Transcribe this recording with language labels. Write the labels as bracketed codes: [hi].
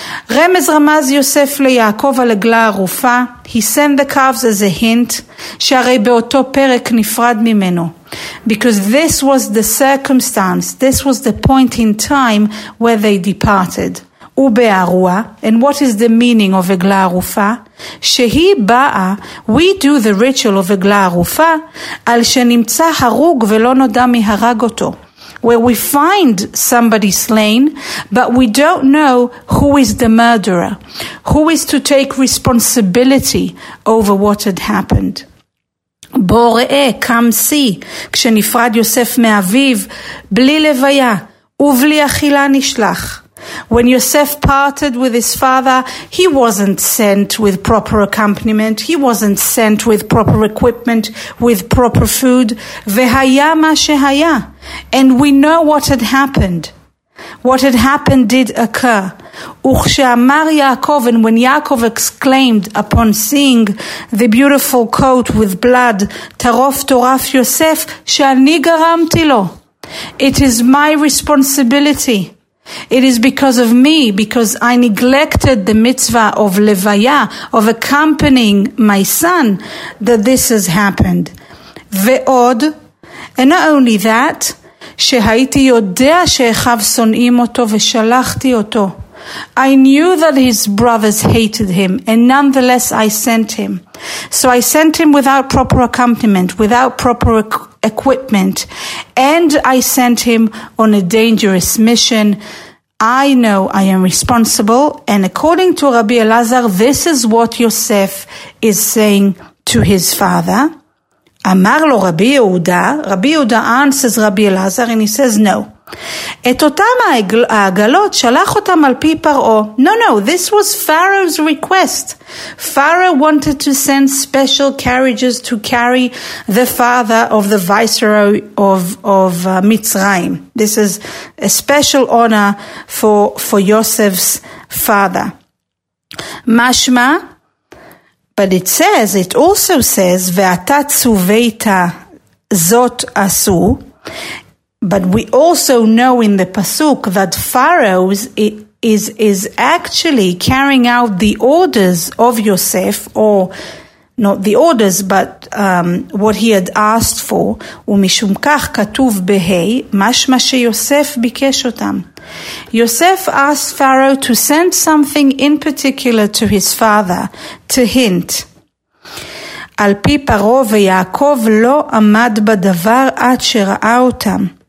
[he] רמז רמז יוסף ליעקב על עגלה ערופה. [en] He sent the calves as a hint, [he] שהרי באותו פרק נפרד ממנו. [en] Because this was the circumstance, this was the point in time where they departed, ובערועה, and what is the meaning of עגלה ערופה? [he] שהיא באה, [en] we do the ritual of [he] עגלה ערופה, על שנמצא הרוג ולא נודע מי הרג אותו. [en] Where we find somebody slain, but we don't know who is the murderer, who is to take responsibility over what had happened. [he] בוא ראה, [en] come see, [he] כשנפרד יוסף מאביו, בלי לוויה, ובלי אכילה נשלח. [en] When Yosef parted with his father, he wasn't sent with proper accompaniment, he wasn't sent with proper equipment, with proper food. [he] והיה מה שהיה. [en] And we know what had happened. What had happened did occur. [he] וכשאמר יעקב, [en] and when Yaakov exclaimed upon seeing the beautiful coat with blood, [he] טרוף טורף יוסף, שאני גרמתי לו. [en] It is my responsibility. It is because of me, because I neglected the mitzvah of levaya, of accompanying my son, that this has happened. [he] Ve'od, [en] and not only that, [he] שהייתי יודע שאחיו שונאים אותו ושלחתי אותו. [en] I knew that his brothers hated him, and nonetheless I sent him. So I sent him without proper accompaniment, without proper equipment, and I sent him on a dangerous mission. I know I am responsible, and according to Rabbi Elazar, this is what Yosef is saying to his father. [he] אמר לו רבי יהודה, רבי יהודה [en] answers [he] רבי אלעזר, [en] and he says no. [he] את אותם העגלות שלח אותם על פי פרעו. [en] No, this was Pharaoh's request. Pharaoh wanted to send special carriages to carry the father of the viceroy of Mitzrayim. This is a special honor for Yosef's father. Mashma, but it says, it also says, [he] ואתה צוויית זאת עשו. [en] But we also know in the pasuk that Pharaoh is actually carrying out the orders of Yosef, or not the orders, but what he had asked for. [he] ומשום כך כתוב בהי, משמע שיוסף ביקש אותם. [en] Yosef asked Pharaoh to send something in particular to his father, to hint. [he] על פי פרעה ויעקב לא עמד בדבר עד שראה אותם.